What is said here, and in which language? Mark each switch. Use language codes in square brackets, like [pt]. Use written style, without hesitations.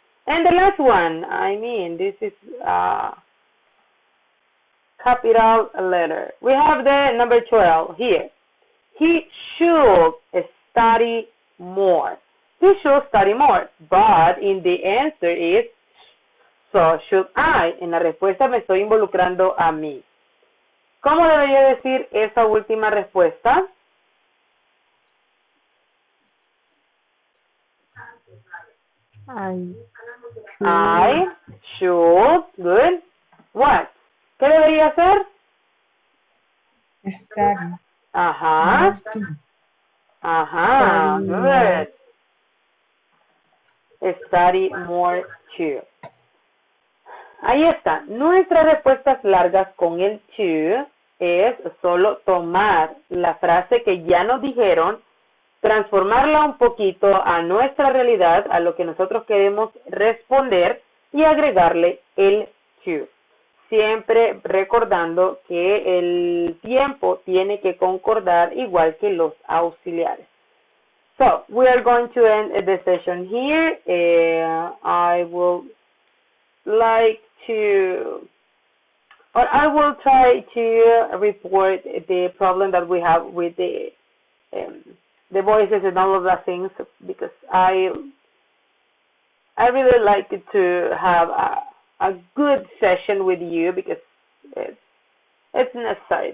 [en] And the last one, I mean, this is capital letter. We have the number 12 here. He should study more. He should study more. But in the answer is, so should I. [es] En la respuesta me estoy involucrando a mí. ¿Cómo debería decir esa última respuesta? [en] I should. Good. What? [es] ¿Qué debería hacer? [en] Study. Ajá. Ajá. Good. Study more too. [es] Ahí está. Nuestras respuestas largas con el to es solo tomar la frase que ya nos dijeron, transformarla un poquito a nuestra realidad, a lo que nosotros queremos responder y agregarle el to. Siempre recordando que el tiempo tiene que concordar igual que los auxiliares. [en] So, we are going to end the session here. I will like to, or I will try to report the problem that we have with the voices and all of the things, because I really like to have a good session with you, because it's necessary.